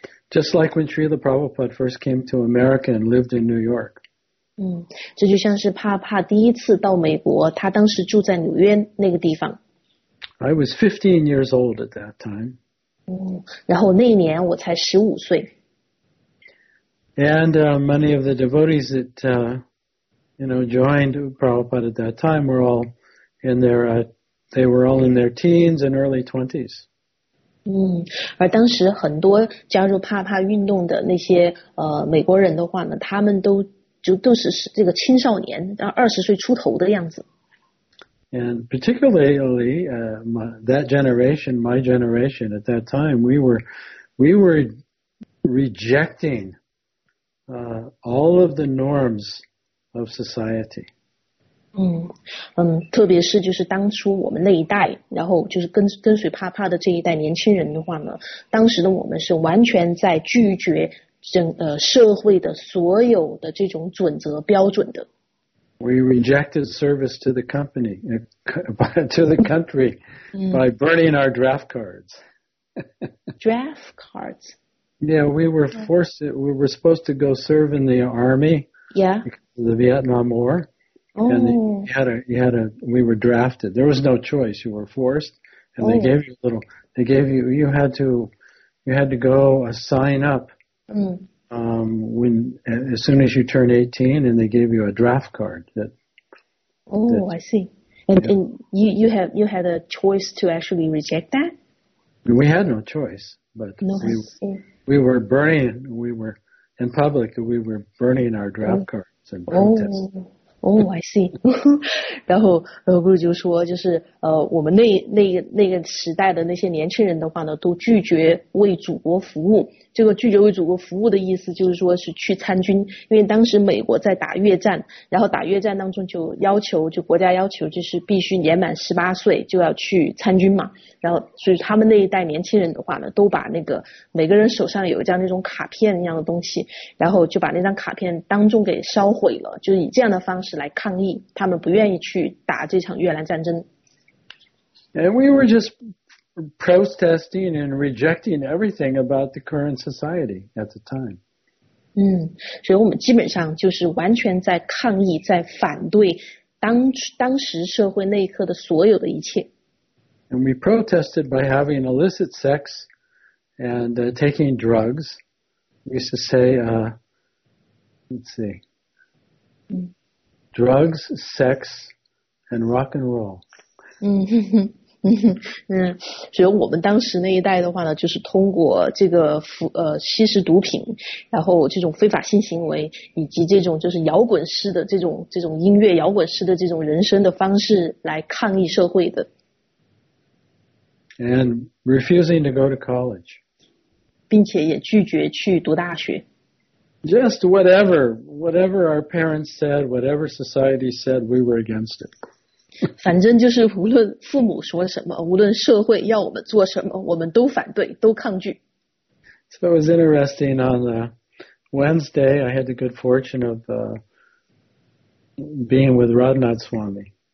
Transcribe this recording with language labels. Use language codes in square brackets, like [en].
[en] Just like when Srila Prabhupada first came to America and lived in New York. [zh] 这就像是帕帕第一次到美国，他当时住在纽约那个地方。 [en] I was 15 years old at that time. [zh] 然后那一年我才15岁。 [en] And many of the devotees that, you know, joined Prabhupada at that time were all in their, they were all in their teens and early 20s. [zh] 而当时很多加入帕帕运动的那些美国人的话呢，他们都就都是这个青少年，20岁出头的样子。 [en] And particularly, that generation, my generation at that time, we were rejecting, all of the norms of society. [zh] 特别是就是当初我们那一代，然后就是跟随帕帕的这一代年轻人的话呢，当时的我们是完全在拒绝社会的所有的这种准则标准的。 [en] We rejected service to the company, to the country, by burning our draft cards. Draft cards. Yeah, we were forced. We were supposed to go serve in the army. Yeah. The Vietnam War. Oh. And we were drafted. There was no choice. You were forced, and they gave you a little. They gave you. You had to go sign up. As soon as you turn 18, and they gave you a draft card. I see. And you had a choice to actually reject that? We had no choice, but we were burning our draft cards in protest. I see. [zh] 然后不如就说就是我们那个时代的那些年轻人的话呢，都拒绝为祖国服务。这个拒绝为祖国服务的意思就是说是去参军，因为当时美国在打越战，然后打越战当中就国家要求就是必须年满18岁就要去参军嘛，然后所以他们那一代年轻人的话呢，都把那个每个人手上有一张那种卡片一样的东西，然后就把那张卡片当中给烧毁了，就以这样的方式来抗议，他们不愿意去打这场越南战争。 [en] And we were just protesting and rejecting everything about the current society at the time. [zh] 所以我们基本上就是完全在抗议，在反对当时社会那一刻的所有的一切。 [en] And we protested by having illicit sex and taking drugs. We used to say, drugs, sex, and rock and roll. [zh] 所以我们当时那一代的话呢，就是通过这个吸食毒品，然后这种非法性行为，以及这种就是摇滚式的这种音乐，摇滚式的这种人生的方式来抗议社会的。 [en] And refusing to go to college. [zh] 并且也拒绝去读大学。 [en] Just whatever our parents said, whatever society said, we were against it. [zh] 反正就是无论父母说什么，无论社会要我们做什么，我们都反对，都抗拒。 [en] So it was interesting. On the Wednesday, I had the good fortune of being with Radhanath Swami.